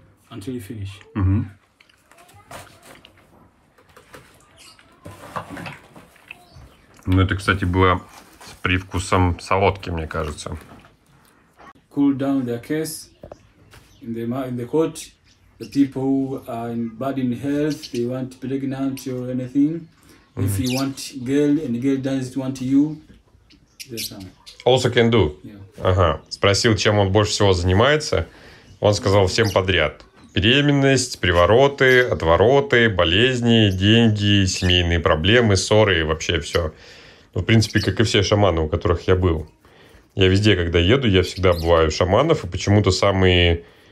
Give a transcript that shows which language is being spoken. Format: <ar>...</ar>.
<en>Until you finish.</en> <ru>Ну, это, кстати, было с привкусом солодки, мне кажется.</ru> <en>Cool down the case in the court. The people who are in bad in health, they want pregnant or anything. If you want girl and the girl doesn't want you, there's some. Also can do. Yeah.</en> <ru>Ага. Спросил, чем он больше всего занимается. Он сказал всем подряд. Беременность, привороты, отвороты, болезни, деньги, семейные проблемы, ссоры и вообще все. В принципе, как и все шаманы, у которых я был. Я везде, когда еду, я всегда бываю шаманов, и почему-то самые...</ru>